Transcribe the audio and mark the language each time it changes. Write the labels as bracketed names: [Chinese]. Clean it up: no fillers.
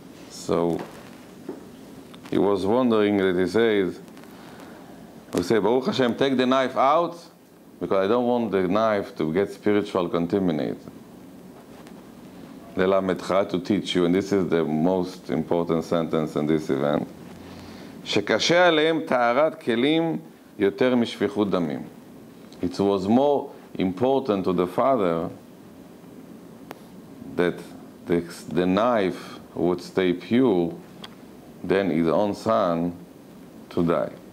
[English] So he was wondering that he says, we say, Baruch Hashem, take the knife out, because I don't want the knife to get spiritual contaminated. Lelametcha, to teach you, and this is the most important sentence in this event. [Hebrew] שקשה עליהם טהרת כלים יותר משפיכות דמים. [English] It was more important to the father that the knife would stay pure than his own son to die.